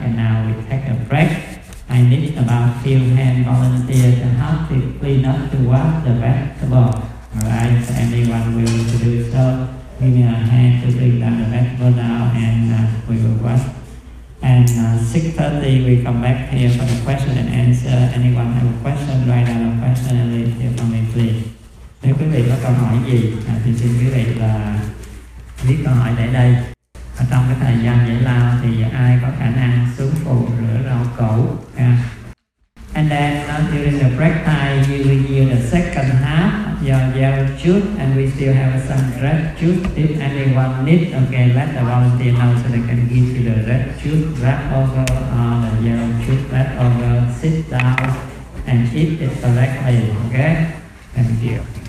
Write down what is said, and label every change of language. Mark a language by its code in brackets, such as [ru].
[en] And now we take a break. I need about few hand volunteers to help to clean up to wash the vegetable. Alright, so anyone willing to do so, give me a hand to clean down the vegetable now and we will wash. And 6:30 we come back here for the question and answer. Anyone have a question, write down a question and leave here for me, please. [vi] Nếu quý vị có câu hỏi gì, thì xin quý vị là viết câu hỏi để đây. Ở trong cái thời gian giải lao thì ai có khả năng xuống phụ rửa rau củ. [en] And then during the break time, we will use the second half of your yellow juice, and we still have some red juice. If anyone needs, okay, let the volunteer know so they can give you the red juice, wrap over the yellow juice, wrap over, sit down, and eat it correctly, okay? Thank you.